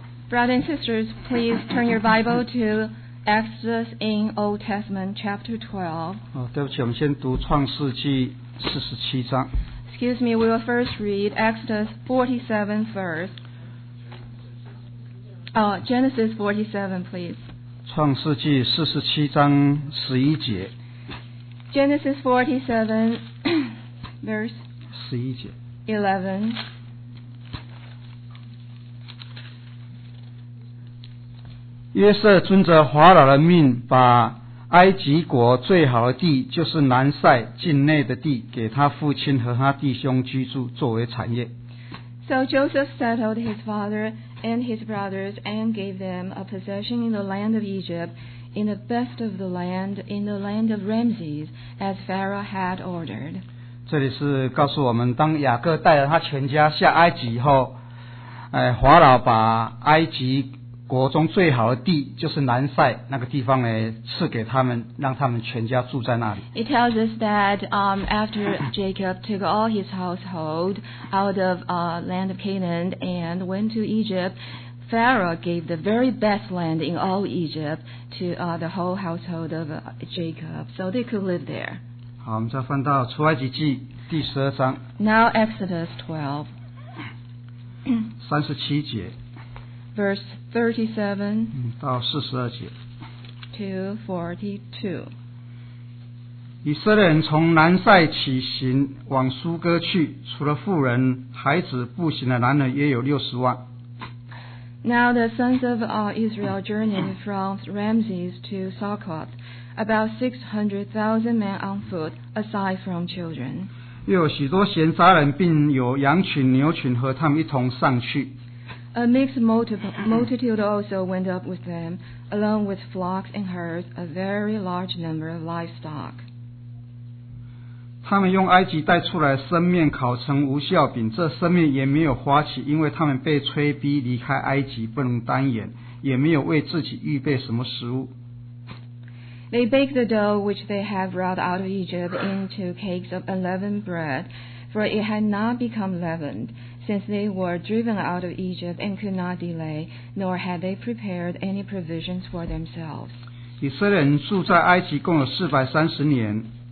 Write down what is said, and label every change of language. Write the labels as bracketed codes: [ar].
[en] Brothers and sisters, please turn your Bible to Exodus in Old Testament, chapter 12. [zh] 对不起，我们先读创世记四十七章。 [en] Excuse me, we will first read Exodus 47 first. Genesis 47, please. [zh] 创世记四十七章十一节。 [en] Genesis 47, verse 11. [zh] 约瑟遵着法老的命，把埃及国最好的地，就是南塞境内的地，给他父亲和他弟兄居住，作为产业。 [en] So Joseph settled his father and his brothers and gave them a possession in the land of Egypt, in the best of the land, in the land of Ramses, as Pharaoh had ordered. [zh] 这里是告诉我们，当雅各带着他全家下埃及以后，法老把埃及国中最好的地，就是南塞那个地方呢，赐给他们，让他们全家住在那里。 [en] It tells us that after Jacob took all his household out of land of Canaan and went to Egypt, Pharaoh gave the very best land in all Egypt to the whole household of Jacob, so they could live there. [zh] 好，我们再翻到出埃及记第十二章。 [en] Now Exodus 12. [zh] 三十七节。 [en] Verse [zh] 37到42节。以色列人从南塞起行往苏哥去，除了妇人孩子步行的男人约有60万。 [en] Now the sons of Israel journeyed from Ramses to Succoth, about 600,000 men on foot, aside from children. [zh] 又有许多闲杂人，并有羊群牛群和他们一同上去。 [en] A mixed multitude also went up with them, along with flocks and herds, a very large number of livestock. [zh] 他们用埃及带出来生面烤成无酵饼，这生面也没有发起，因为他们被催逼离开埃及，不能单言，也没有为自己预备什么食物。 [en] They baked the dough which they had brought out of Egypt into cakes of unleavened bread, for it had not become leavened. Since they were driven out of Egypt and could not delay, nor had they prepared any provisions for themselves. [zh] 以色列人住在埃及共有430年。